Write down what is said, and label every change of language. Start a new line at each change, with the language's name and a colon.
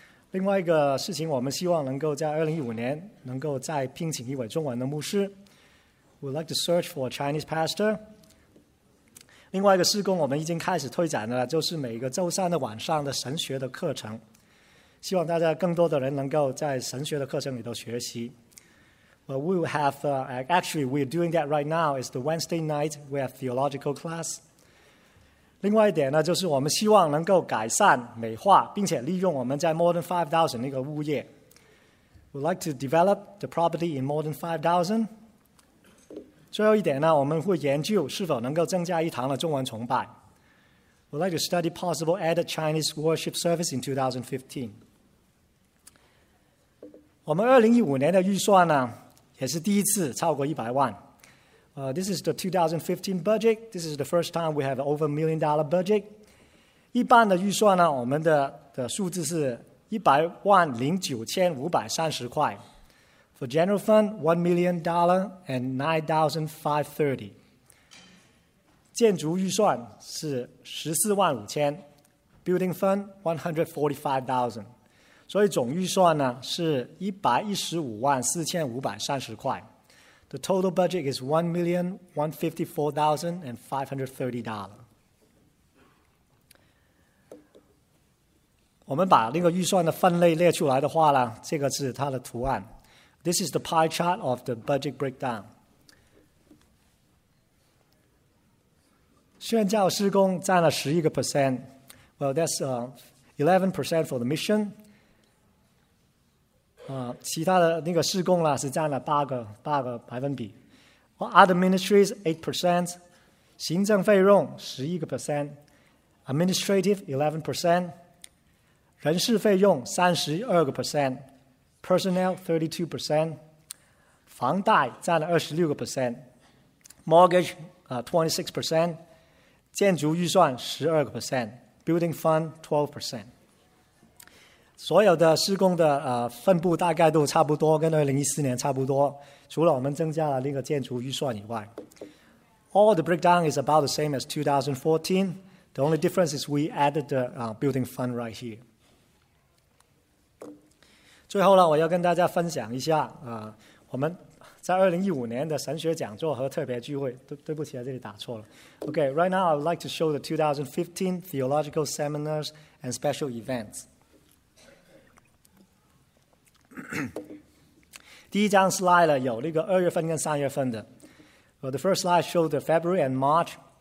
Chinese: 另外一个事情，我们希望能够在2015年能够再聘请一位中文的牧师。
English: We'd like to search for a Chinese pastor.
Chinese: 另外一个事工我们已经开始推展了，就是每个周三的晚上的神学的课程，希望大家更多的人能够在神学的课程里头学习。
English: But we will have, actually we're doing that right now, it's the Wednesday night, we have theological class.
Chinese: 另外一点呢，就是我们希望能够改善、美化，并且利用我们在 More Than 5000 那个物业。
English: We'd like to develop the property in More Than 5000.
Chinese: 最后一点呢，我们会研究是否能够增加一堂的中文崇拜。
English: We'd like to study possible added Chinese worship service in 2015.
Chinese: 我们2015年的预算呢，也是第一次超过100万。
English: This is the 2015 budget. This is the first time we have an over $1 million budget.
Chinese: 一般的预算呢，我们 的数字是109,530块。
English: For general fund, $1,009,530.
Chinese: 建筑预算是145,000。
English: Building fund, $145,000.
Chinese: 所以总预算呢是115,4530块。
English: The total budget is $1,154,530.
Chinese: 我们把那个预算的分类列出来的话呢，这个是它的图案。
English: This is the pie chart of the budget breakdown.
Chinese: 宣教施工占了11%。
English: Well, that's 11% for the mission.
Chinese: 其他的那个事工呢是占了八个百分比。
English: Other ministries 8%,
Chinese: 行政费用11%,
English: administrative 11%,
Chinese: 人事费用32%,
English: personnel 32%,
Chinese: 房贷占了26%,
English: mortgage 26%,
Chinese: 建筑预算12%,
English: building fund 12%。
Chinese: 所有的施工的分布大概都差不多，跟2014年差不多，除了我们增加了那个建筑预算以外。
English: All the breakdown is about the same as 2014. The only difference is we added the building fund right here.
Chinese: 最后呢，我要跟大家分享一下我们在2015年的神学讲座和特别聚会。对不起，这里打错了。
English: Okay, right now I would like to show the 2015 theological seminars and special events.
Chinese: 第一张 slide 有那个二月份跟三月份的。
English: Well, the first slide showed the February and March.